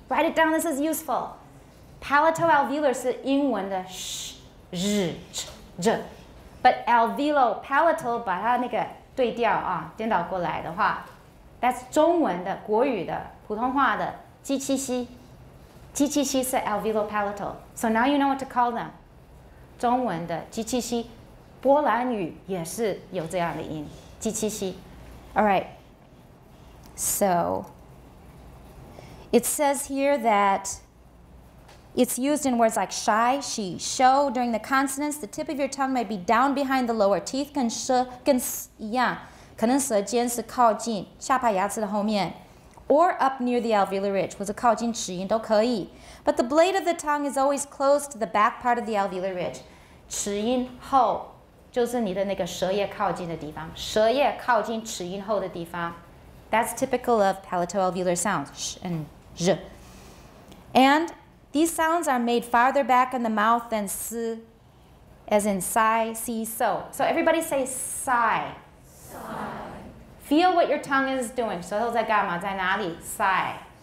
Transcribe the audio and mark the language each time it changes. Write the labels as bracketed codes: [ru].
[en] Write it down, this is useful. Palato-alveolar [zh] 是英文的 [en] sh, zh, zh. But [zh] alveolo-palatal 把它那个对调啊，颠倒过来的话， [en] that's [zh] 中文的、国语的、普通话的鸡、鸡、鸡。鸡、鸡、鸡是 alveolo-palatal. [en] So now you know what to call them. [zh] 中文的鸡七七，波兰语也是有这样的音，鸡七七。 [en] All right. So, it says here that it's used in words like shy, she, show. During the consonants, the tip of your tongue may be down behind the lower teeth, [zh] 跟 sh 跟 s 一样，可能舌尖是靠近下排牙齿的后面。 [en] Or up near the alveolar ridge, [zh] 或者靠近齿音都可以。 [en] But the blade of the tongue is always close to the back part of the alveolar ridge. [zh] 齿音后就是你的那个舌叶靠近的地方。舌叶靠近齿音后的地方。 [en] That's typical of palato-alveolar sounds, sh and zh. And these sounds are made farther back in the mouth than s as in sigh, see, so. So everybody say sigh. Sigh. Feel what your tongue is doing. [zh] 舌头在干嘛，在哪里? [en] Sigh.